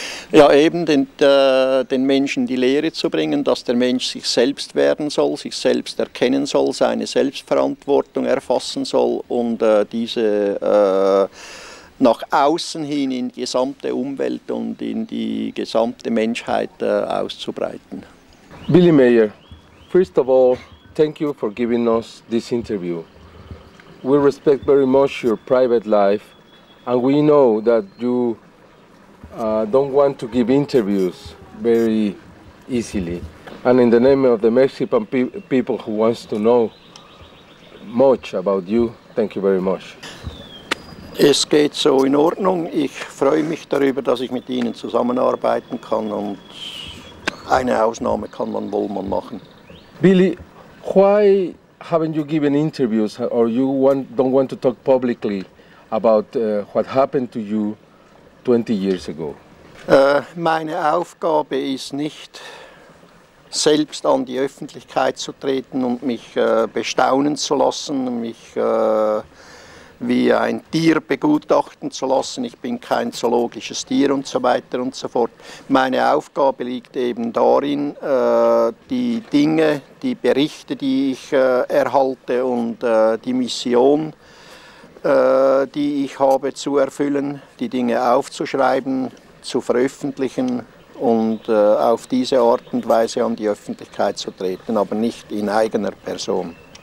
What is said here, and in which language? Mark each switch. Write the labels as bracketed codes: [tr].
[de] Ja, eben den Menschen die Lehre zu bringen, dass der Mensch sich selbst werden soll, sich selbst erkennen soll, seine Selbstverantwortung erfassen soll und diese nach außen hin in die gesamte Umwelt und in die gesamte Menschheit auszubreiten. [en] Billy Mayer, first of all, thank you for giving us this interview. We respect very much your private life, and we know that you don't want to give interviews very easily. And in the name of the Mexican people who wants to know much about you, thank you very much. [de] Es geht so in Ordnung. Ich freue mich darüber, dass ich mit Ihnen zusammenarbeiten kann, und eine Ausnahme kann man wohl mal machen. [en] Billy, why haven't you given interviews, or you don't want to talk publicly about what happened to you 20 years ago? [de] Meine Aufgabe ist nicht, selbst an die Öffentlichkeit zu treten und mich bestaunen zu lassen, mich wie ein Tier begutachten zu lassen. Ich bin kein zoologisches Tier und so weiter und so fort. Meine Aufgabe liegt eben darin, die Dinge, die Berichte, die ich erhalte, und die Mission, die ich habe, zu erfüllen, die Dinge aufzuschreiben, zu veröffentlichen und auf diese Art und Weise an die Öffentlichkeit zu treten, aber nicht in eigener Person.